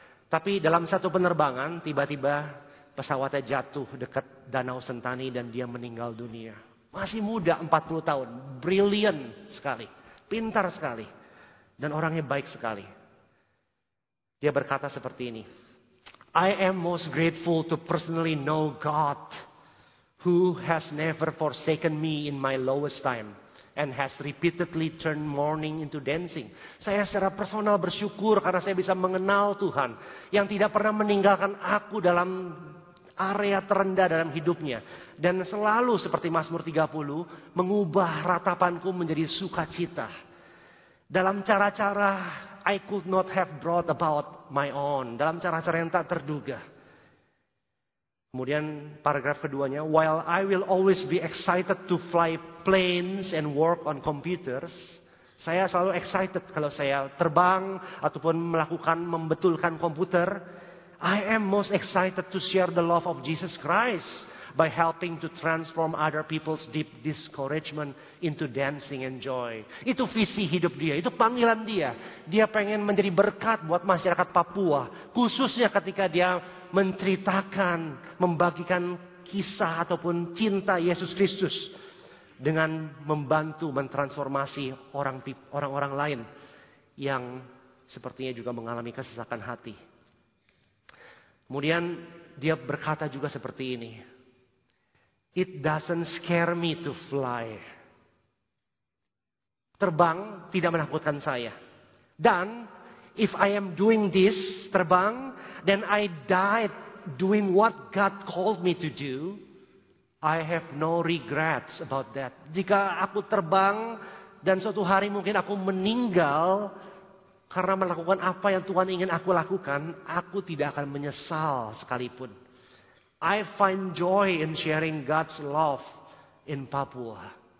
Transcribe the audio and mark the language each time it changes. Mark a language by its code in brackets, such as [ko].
[id] Tapi dalam satu penerbangan, tiba-tiba pesawatnya jatuh dekat Danau Sentani dan dia meninggal dunia. Masih muda, 40 tahun. Brilliant sekali. Pintar sekali. Dan orangnya baik sekali. Dia berkata seperti ini. [en] I am most grateful to personally know God, who has never forsaken me in my lowest time and has repeatedly turned mourning into dancing. [id] Saya secara personal bersyukur karena saya bisa mengenal Tuhan yang tidak pernah meninggalkan aku dalam area terendah dalam hidupnya. Dan selalu seperti Mazmur 30, mengubah ratapanku menjadi sukacita. Dalam cara-cara [en] I could not have brought about my own. [id] Dalam cara-cara yang tak terduga. Kemudian paragraf keduanya, [en] while I will always be excited to fly planes and work on computers, [id] saya selalu excited kalau saya terbang ataupun melakukan membetulkan komputer, [en] I am most excited to share the love of Jesus Christ by helping to transform other people's deep discouragement into dancing and joy. [id] Itu visi hidup dia, itu panggilan dia. Dia pengen menjadi berkat buat masyarakat Papua, khususnya ketika dia menceritakan, membagikan kisah ataupun cinta Yesus Kristus dengan membantu mentransformasi orang-orang lain yang sepertinya juga mengalami kesesakan hati. Kemudian dia berkata juga seperti ini. [en] It doesn't scare me to fly. [id] Terbang tidak menakutkan saya. Dan [en] if I am doing this, terbang, then I died doing what God called me to do. I have no regrets about that. [id] Jika aku terbang dan suatu hari mungkin aku meninggal karena melakukan apa yang Tuhan ingin aku lakukan, aku tidak akan menyesal sekalipun. [en] I find joy in sharing God's love in Papua.